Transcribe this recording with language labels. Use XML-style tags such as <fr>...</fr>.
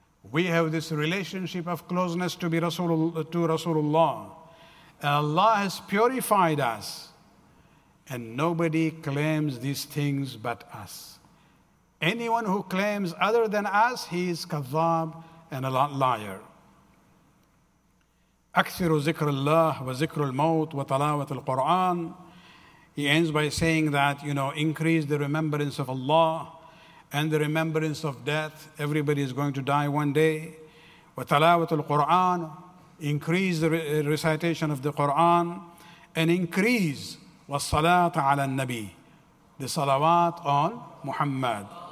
<en>We have this relationship of closeness to Rasulullah. And Allah has purified us. And nobody claims these things but us. Anyone who claims other than us, he is kazzab and a liar.</en> <ar>أكثر ذكر الله وذكر الموت وطلاوة القرآن.</ar> <en>He ends by saying that, you know, increase the remembrance of Allah and the remembrance of death. Everybody is going to die one day.</en> <ar>وَتَلَاوَةُ الْقُرْآنُ.</ar> <en>Increase the recitation of the Qur'an. And increase</en> <ar>وَالصَّلَاةَ عَلَى النَّبِيِّ.</ar> <en>The salawat on Muhammad.</en>